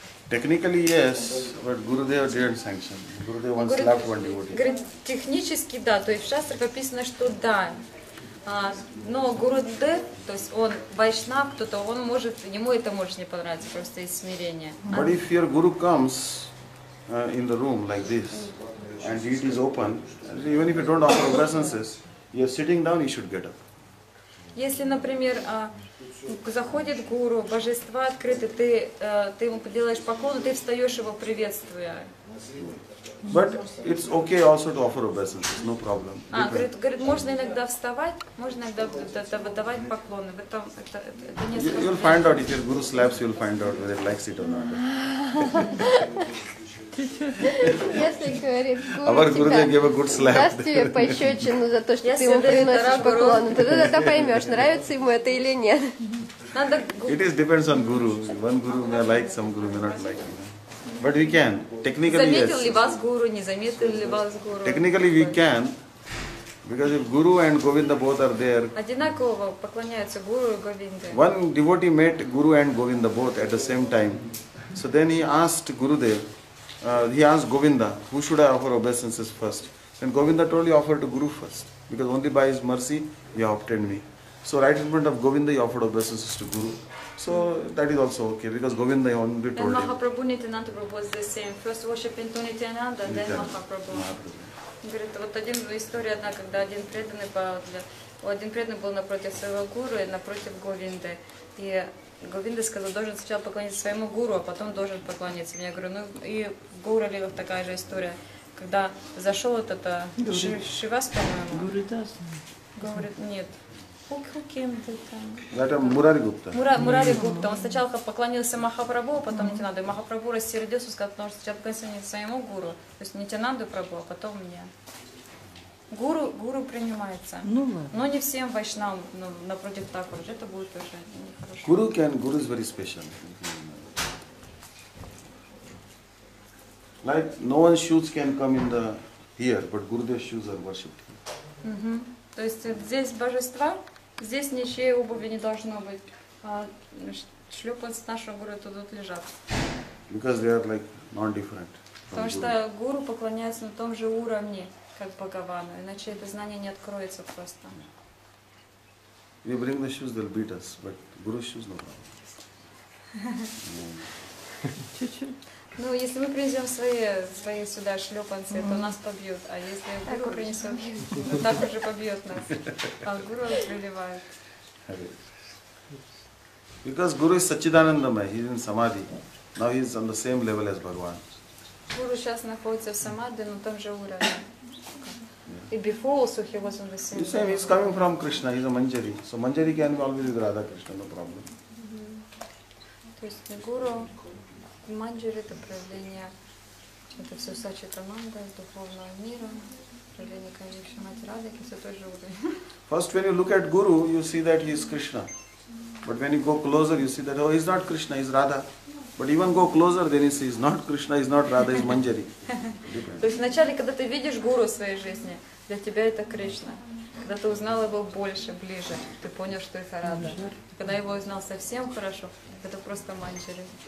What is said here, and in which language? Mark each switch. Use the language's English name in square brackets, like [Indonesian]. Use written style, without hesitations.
[English] Technically, yes, but Gurudev didn't sanction. Gurudev once slapped one devotee. [Russian] Технически, да, то есть в шастрах описано, что да, Но Гуру Дев, то есть он вайшнав, кто-то, он может, ему это может не понравиться, просто из смирения. [English] But if your guru comes in the room like this, and it is open, even if you don't offer presences, you're sitting down, you should get up. [Russian] Если, например, заходит гуру, божество открыто, ты ему делаешь поклон, ты встаешь его приветствуя. [English] But it's okay also to offer obeisances, no problem. [Russian] Говорит, можно иногда вставать, можно иногда давать поклоны. [English] You'll find out, if your guru slaps, you'll find out whether he likes it or not. [Russian] Если говорит гуру, [English] our guru [Russian] тебя, [English] gave a good slap. [Russian] Даст тебе пощечину за то, что ты ему приносишь поклоны, ты тогда поймешь, нравится ему это или нет. [English] It is depends on guru. One guru may like, some guru may not like. But we can. Technically, [Russian] заметил [English] yes. [Russian] ли вас гуру, не заметил ли вас гуру? [English] Technically we can, because if guru and Govinda both are there. [Russian] Одинаково поклоняются гуру и Говинде. [English] One devotee met guru and Govinda both at the same time. So then he asked Gurudev, he asked Govinda, who should I offer obeisances first? And Govinda told, you offer to guru first, because only by his mercy you obtained me. So right in front of Govinda, he offered obeisances to guru. So that is also okay, because Govinda only told him. And Mahaprabhu Nityananda Prabhu was the same. First worship into Nityananda, then Mahaprabhu. [Russian] Говорит, вот один история одна, когда один преданный был, один преданный был напротив своего гуру и напротив Говинды. И Говинда сказал, должен сначала поклониться своему гуру, а потом должен поклониться. Я говорю, ну и в гуру ли такая же история, когда зашел вот это Шивас, по-моему. Гуру Дас. Говорит, нет. [English] Who came to [Russian] Это Мурари Гупта. Мурари Гупта. Он сначала поклонился Махапрабху, потом Нитянанду. И Махапрабху рассердился, сказал, что сначала поклонился своему гуру. То есть Нитянанду Прабху, а потом мне. Гуру принимается. Ну, ладно. Но не всем вайшнам, ну, напротив так вот. Это будет уже нехорошо. [English] Гуру can, гуру is very special. Like, no one's shoes can come in the here, but Gurudev's shoes are worshipped here. Mm-hmm. [Russian] То есть здесь божества, здесь ничьей обуви не должно быть. Шлепанцы нашего гуру тут лежат. [English] Because they are like non-different. [Russian] Потому что гуру поклоняется на том же уровне, как Бхагавану, иначе это знание не откроется просто. [English] We bring the shoes, they'll beat us, but guru's shoes no problem. [Russian] Ну, если мы принесем свои сюда шлепанцы, то нас побьют. А если гуру принесем, то так уже побьет нас. А гуру отливает. [English] Because guru is Sachidanandamaya, he is in samadhi. Now he is on the same level as Bhagavan. [Russian] Гуру сейчас находится в самадхи на том же уровне. И [English] before also he was on the same. You say he is coming from Krishna, he is a Manjari. So Manjari can be always with Radha Krishna, no problem. [Russian] То есть не гуру. Манджир – это проявление, это все сачитананда, духовного мира, проявление Кришны Мать Радхи, все тоже уровень. [English] First, when you look at Guru, you see that he is Krishna. But when you go closer, you see that, oh, he is not Krishna, he is Radha. But even go closer, then you see, he is not Krishna, he is not Radha, he is Манджари. [Russian] То есть вначале, когда ты видишь Гуру в своей жизни, для тебя это Кришна. Когда ты узнал его больше, ближе, ты понял, что это Радха. Когда его узнал совсем хорошо, это просто Манджари.